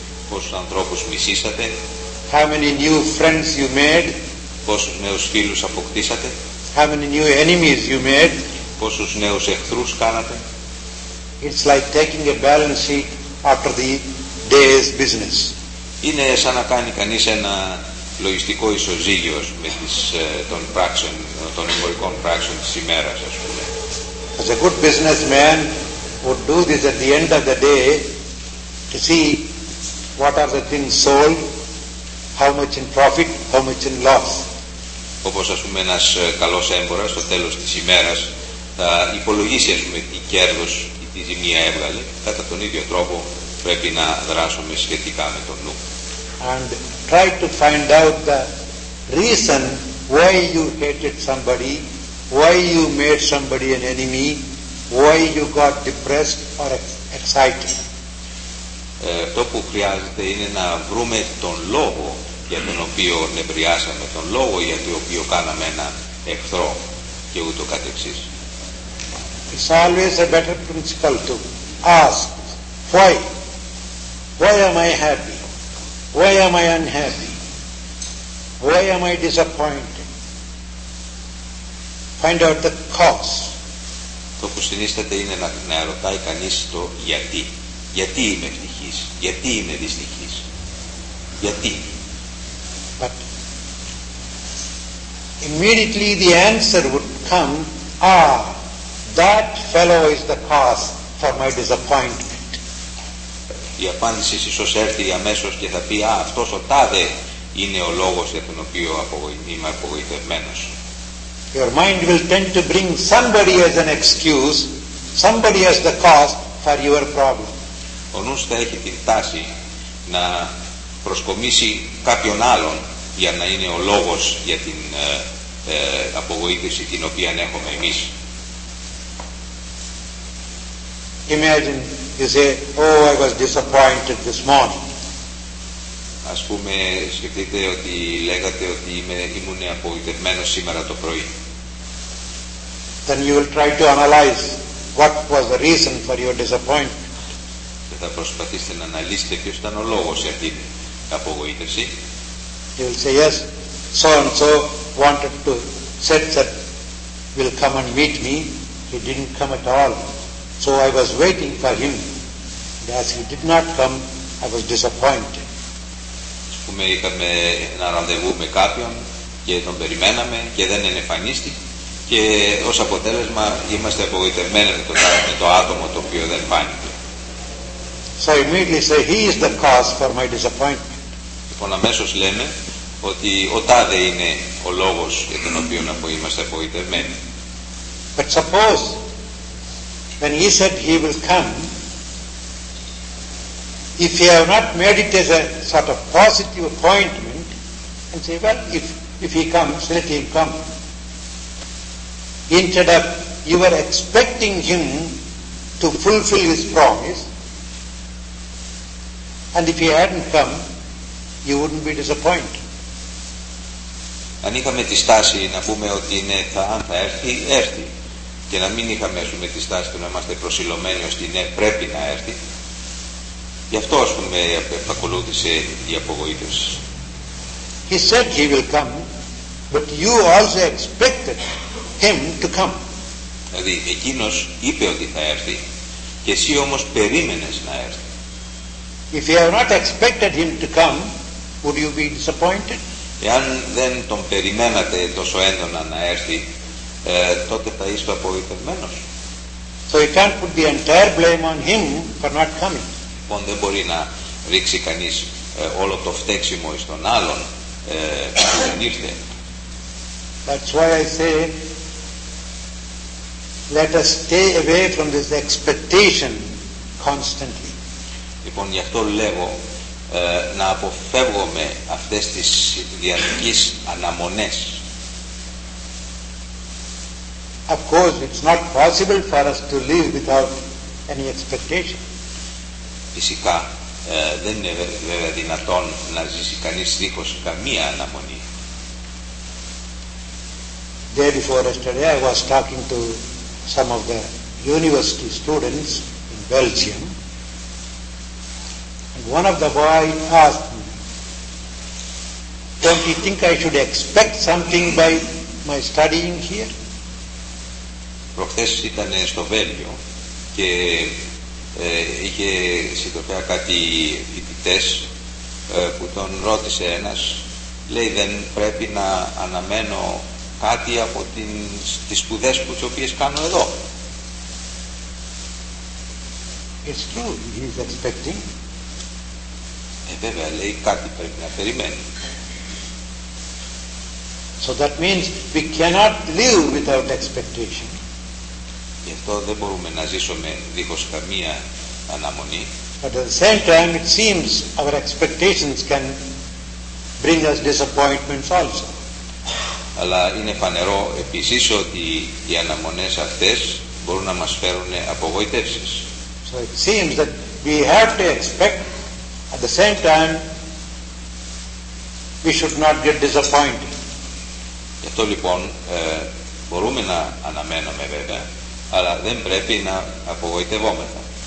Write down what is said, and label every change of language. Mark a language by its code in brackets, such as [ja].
[el] Πόσους ανθρώπους μισήσατε. [en] How many new friends you made. [el] Πόσους νέους φίλους αποκτήσατε. [en] How many new enemies you made. [el] Πόσους νέους εχθρούς κάνατε. [en] It's like taking a balance sheet after the day's business. [el] Είναι σαν να κάνει κανείς ένα λογιστικό ισοζύγιο με τις, των πράξεων, των εμπορικών πράξεων της ημέρας, ας πούμε. [en] As a good businessman would do this at the end of the day to see what are the things sold, how much in profit, how much in loss. [el] Όπως ας πούμε ένας καλός έμπορας στο τέλος της ημέρας θα υπολογίσει, ας πούμε, τι κέρδος ή τι ζημία έβγαλε. Κατά τον ίδιο τρόπο πρέπει να δράσουμε σχετικά με τον νου. [en] And try to find out the reason why you hated somebody, why you made somebody an enemy, why you got depressed or excited. [el] Το που χρειάζεται είναι να βρούμε τον λόγο για τον οποίο νευριάσαμε, τον λόγο για τον οποίο κάναμε ένα εχθρό και ούτω καθεξής. [en] It's always a better principle to ask why. Why am I happy? Why am I unhappy? Why am I disappointed? Find out the cause. [el] Το που συνίσταται είναι να ρωτάει κανείς το γιατί. Γιατί είμαι ευτυχής, γιατί είμαι δυστυχής, γιατί. [en] But immediately the answer would come, ah, that fellow is the cause for my disappointment. [el] Η απάντηση ίσως έρθει αμέσως και θα πει, α, αυτός ο τάδε είναι ο λόγος για τον οποίο είμαι απογοητευμένος. [en] Your mind will tend to bring somebody as an excuse, somebody as the cause for your problem. [el] Ο νους θα έχει την τάση να προσκομίσει κάποιον άλλον για να είναι ο λόγος για την απογοήτευση την οποία έχουμε εμείς. [en] Imagine you say, oh, I was disappointed this morning. [el] Ας πούμε, σκεφτείτε ότι λέγατε ότι ήμουν απογοητευμένος σήμερα το πρωί. [en] Then you will try to analyze what was the reason for your disappointment. [el] Και θα προσπαθήσετε να αναλύσετε ποιος ήταν ο λόγος για την απογοήτευση. [en] You will say, yes, so and so wanted to set will come and meet me. He didn't come at all. So I was waiting for him. And as he did not come, I was disappointed. [el] Πούμε, είχαμε ένα ραντεβού με κάποιον και τον περιμέναμε και δεν εμφανίστηκε. Και ως αποτέλεσμα είμαστε απογοητευμένοι με το άτομο το οποίο δεν φάνηκε. [en] So immediately say he is the cause for my disappointment. [el] Λοιπόν, αμέσως λέμε ότι ο τάδε είναι ο λόγος για τον οποίο είμαστε απογοητευμένοι. [en] But suppose when he said he will come, if he have not made it as a sort of positive appointment, and say, well, if he comes, let him come. Instead of you were expecting him to fulfill his promise, and if he hadn't come, you wouldn't be disappointed. [el] Αν είχαμε τη στάση να πούμε ότι είναι θα, αν θα έρθει, έρθει. Και να μην είχαμε, ας πούμε, τη στάση του να είμαστε προσιλωμένοι ώστε ναι, πρέπει να έρθει. Γι' αυτό, ας πούμε, ακολούθησε η απογοήτευση. [en] He said he will come, but you also expected him to come. [el] Δηλαδή, εκείνος είπε ότι θα έρθει και εσύ όμως περίμενες να έρθει. [en] If you have not expected him to come, would you be disappointed? [el] Εάν δεν τον περιμένατε τόσο έντονα να έρθει, τότε θα είστε απογοητευμένος. [en] So you can't put the entire blame on him for not coming. [el] Λοιπόν, δεν μπορεί να ρίξει κανείς όλο το φταίξιμο εις τον άλλον που δεν ήρθε. [en] That's why I say, let us stay away from this expectation constantly. [el] Λοιπόν, γι' αυτό λέω να αποφεύγουμε αυτές τις διαρκείς αναμονές. [en] Of course, it's not possible for us to live without any expectation. [el] Φυσικά, δεν είναι βέβαια δυνατόν να ζήσει κανείς δίχως καμία αναμονή. [en] Day before yesterday, I was talking to some of the university students in Belgium. And one of the boys asked me, don't you think I should expect something by my studying here? [el] Προχθές ήταν στο Βέλγιο και είχε συντροφέα κάτι φοιτητές που τον ρώτησε ένας, λέει, δεν πρέπει να αναμένω κάτι από τις σπουδές που τις οποίες κάνω εδώ? [en] It's true, he is expecting. [el] Βέβαια, λέει, κάτι πρέπει να περιμένει. [en] So that means we cannot live without expectation. [el] Γι' αυτό δεν μπορούμε να ζήσουμε δίχως καμία αναμονή. [en] But at the same time, it seems our expectations can bring us disappointments also. [el] Αλλά είναι φανερό επίσης ότι οι αναμονές αυτές μπορούν να μας φέρουν απογοητεύσεις. [en] So it seems that we have to expect, at the same time, we should not get disappointed. [el] Γι' αυτό λοιπόν μπορούμε να αναμένουμε βέβαια, αλλά δεν πρέπει να απογοητευόμεθα.